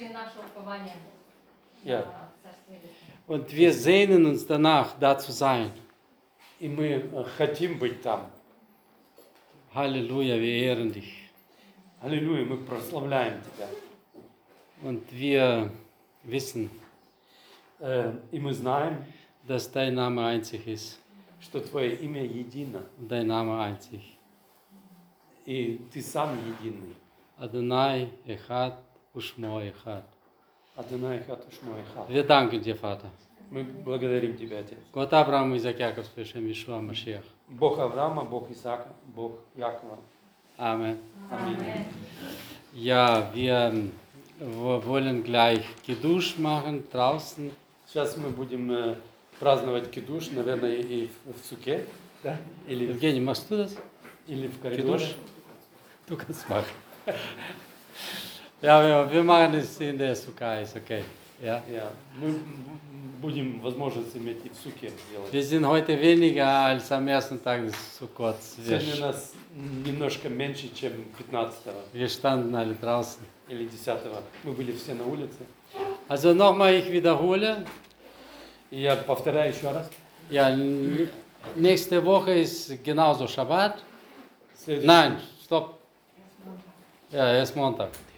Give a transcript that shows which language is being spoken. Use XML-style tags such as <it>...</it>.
<ru>переложили наше упование</ru> <en>yeah.</en> <ru>на Царствие. Вот,</ru> <de>danach, da zu sein.</de> <ru>И мы хотим быть там.</ru> <de>Halleluja, wir ehren dich.</de> <ru>Halleluja, мы прославляем тебя.</ru> <de>Und wir wissen,</de> <ru>и мы знаем,</ru> <de>dass dein Name einzig ist.</de> <ru>Что твое имя едино.</ru> <de>Dein Name einzig.</de> <ru>И ты сам единый.</ru> <he>Adonai Echad. Ушмо Эхат. Адонай Эхат, Ушмо Эхат.</he> <de>Wir danken dir, Vater.</de> <ru>Мы благодарим тебя, Отец. Год Авраама, Исаак, Яков, Спешем, Ишуа, Машиах. Бог Авраама, Бог Исаака, Бог Якова. Аминь. Аминь.</ru> <de>Ja, wir wollen gleich Кидуш machen draußen.</de> <ru>Сейчас мы будем праздновать Кидуш, наверное, и в Суке. Да? Или... Евгений, можешь туда? Или в коридоре. Кидуш?</ru> <de>Du kannst machen. Ja, wir machen es in der Sukkah, ist okay. Ja. Ja,</de> <ru>мы будем возможность иметь и в Сукке делать.</ru> <de>Wir sind heute weniger als am ersten Tag des Sukkot.</de> <ru>Сегодня нас немножко меньше, чем 15-го.</ru> <de>Wir standen alle draußen.</de> <ru>Или 10-го. Мы были все на улице.</ru> <de>Also nochmal, ich wiederhole.</de> <ru>Я повторяю еще раз.</ru> <de>Ja, nächste Woche ist genauso Shabbat. Nein, stopp. Ja, erst Montag.</de>